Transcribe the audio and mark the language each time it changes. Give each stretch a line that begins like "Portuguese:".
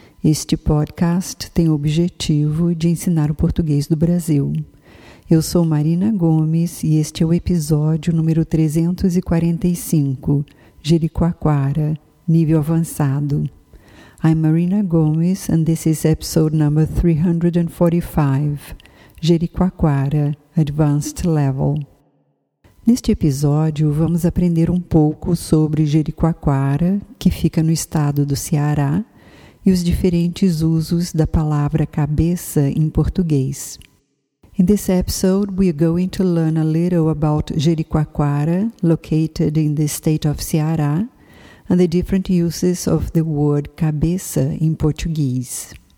Portuguese: Este podcast tem o objetivo de ensinar o português do Brasil. Eu sou Marina Gomes e este é o episódio número 345, Jericoacoara, nível avançado.
English: I'm Marina Gomes and this is episode number 345, Jericoacoara, Advanced Level.
Portuguese: Neste episódio, vamos aprender um pouco sobre Jericoacoara, que fica no estado do Ceará, e os diferentes usos da palavra cabeça em português.
English: In this episode, we are going to learn a little about Jericoacoara, located in the state of Ceará, and the different uses of the word cabeça in Portuguese.